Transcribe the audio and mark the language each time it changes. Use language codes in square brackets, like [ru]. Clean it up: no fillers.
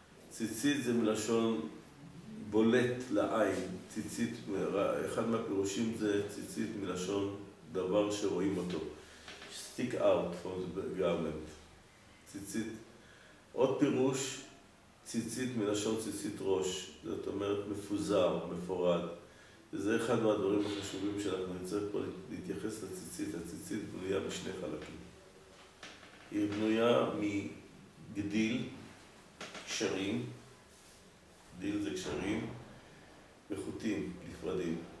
[he] ציצית זה מלשון בולט לעין. ציצית, אחד מהפירושים זה ציצית מלשון דבר שרואים אותו. [en] Stick out from the garment. [he] ציצית. עוד פירוש, ציצית מלשון ציצית ראש. זאת אומרת מפוזר, מפורד. וזה אחד מהדברים החשובים שאנחנו נצטרך פה להתייחס לציצית. הציצית בנויה בשני חלקים. היא בנויה מגדיל, קשרים, גדיל זה קשרים, וחוטים נפרדים.